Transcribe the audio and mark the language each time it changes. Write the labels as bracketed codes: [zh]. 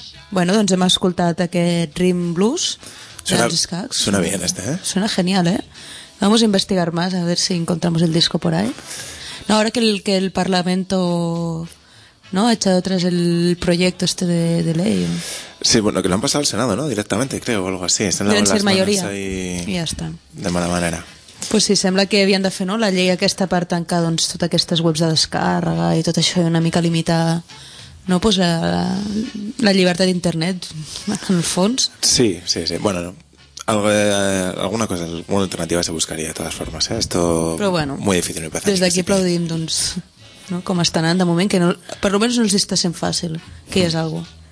[ca] Bueno, doncs hem escoltat aquest Rim Blues dels Skags. [es] Suena bien este, eh? Suena genial, eh? Vamos a investigar más, a ver si encontramos el disco por ahí. No, ahora que el Parlamento, ¿no?, ha echado atrás el proyecto este de ley. Sí, bueno, que lo han pasado al Senado, ¿no?, directamente, creo, o algo así. Deben ser las mayoría. Y ya está. De mala manera. [ca] Pues sí, sembla que havien de fer, no?, la llei aquesta per tancar, doncs, totes aquestes webs de descàrrega i tot això, i una mica limitar, no?, pues la llibertat d'internet, en el fons. [es] Sí, sí, sí. Bueno, no. Alguna cosa, alguna alternativa se buscaría de todas formas, ¿eh? Esto [ca] però bueno, [es] muy difícil. [ca] Des d'aquí aplaudim, doncs, no?, com està anant de moment, que no, per lo menos no els està sent fàcil, que és algo.